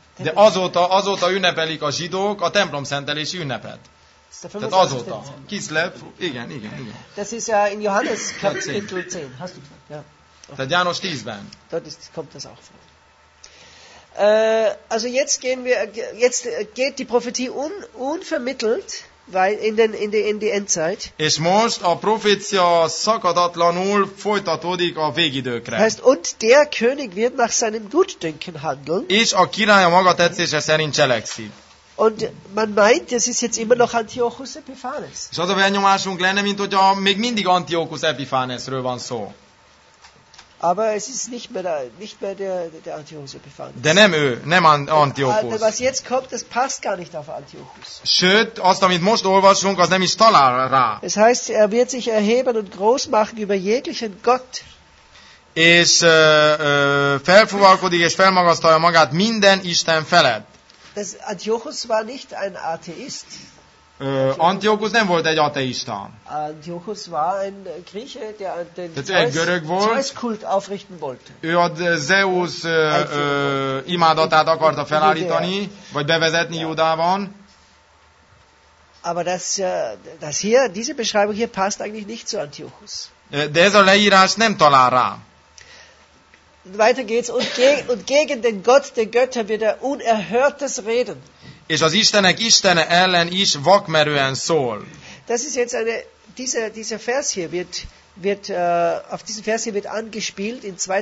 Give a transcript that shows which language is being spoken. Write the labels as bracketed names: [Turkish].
[Hungarian] De azóta ünnepelik a zsidók a templomszentelési ünnepet. Tehát azóta. Kislev, igen. [German] Das ist ja in Johannes Kapitel 10. Hast du [Hungarian] ja. Tehát János 10-ben. [German] Dort ist, kommt das auch vor. Also jetzt geht die Prophetie unvermittelt in die Endzeit. [Hungarian] És most a profécia szakadatlanul folytatódik a végidőkre. [German] Heißt, und der König wird nach seinem Gutdünken handeln. [Hungarian] És a király a maga tetszése szerint cselekszik. [German] Und man meint, das ist jetzt immer noch Antiochus Epiphanes. [Hungarian] És az a benyomásunk lenne, mint hogyha még mindig Antiochus Epiphanesről van szó. [German] Aber es ist nicht mehr der Antiochus Epiphanes. [Hungarian] De nem ő, nem Antiochus. [German] De was jetzt kommt, das passt gar nicht auf Antiochus. [Hungarian] Sőt, azt, amit most olvasunk, az nem is talál rá. [German] Es heißt, er wird sich erheben und groß machen über jeglichen Gott. [Hungarian] És felfúvalkodik és felmagasztalja magát minden Isten felett. [German] Das Antiochus war nicht ein Atheist. [Hungarian] Antiochus nem volt egy ateista. [German] Antiochus war ein Grieche, der den Zeus-kult aufrichten wollte. [Hungarian] Ő a Zeus imádatát akarta felállítani, vagy bevezetni Judában. [German] Aber das hier, diese Beschreibung hier passt eigentlich nicht zu Antiochus. [Hungarian] De ez a leírás nem talál rá. [German] Weiter geht's und gegen den Gott der Götter wird er unerhörtes reden. [Hungarian] És az Istenek Istene ellen is vakmerően szól. [German] Das ist jetzt dieser Vers hier wird auf diesen Vers hier wird angespielt in 2.